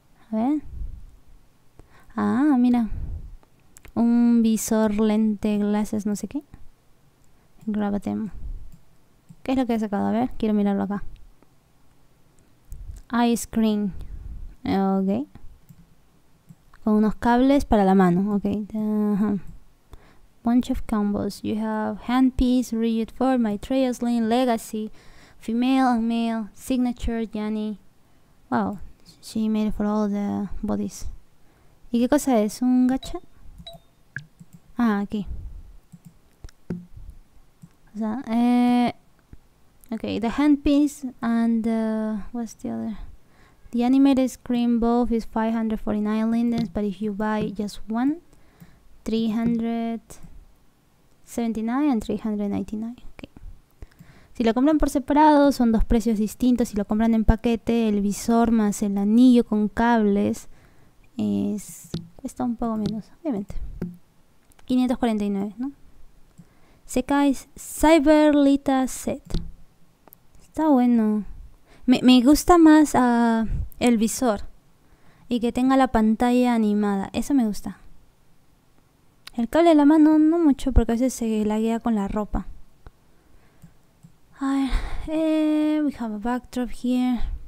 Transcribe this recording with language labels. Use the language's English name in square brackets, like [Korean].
[Spanish] A ver. Ah, mira. Un visor, lente, glasses, no sé qué. Grabatem. ¿Qué es lo que he sacado? A ver, quiero mirarlo acá. [English] Ice cream. [Spanish] Ok. Con unos cables para la mano. [English] Ok. Bunch of combos. You have handpiece, rigid form, Maitreya Slane, Legacy, female and male, signature, Yanni. Wow. She made it for all the bodies. [Spanish] ¿Y qué cosa es? ¿Un gacha? Ah, aquí. O sea, [English] okay, the handpiece and what's the other? The animated screen both is 549 lindens, but if you buy just one, 379 and 399. [Spanish] Okay. Si lo compran por separado, son dos precios distintos. Si lo compran en paquete, el visor más el anillo con cables cuesta un poco menos, obviamente. 549, ¿no? Sekai Cyberlita Set. Está bueno. Me gusta más el visor. Y que tenga la pantalla animada. Eso me gusta. El cable de la mano no mucho porque a veces se laguea con la ropa. A ver, [English] we have a backdrop here.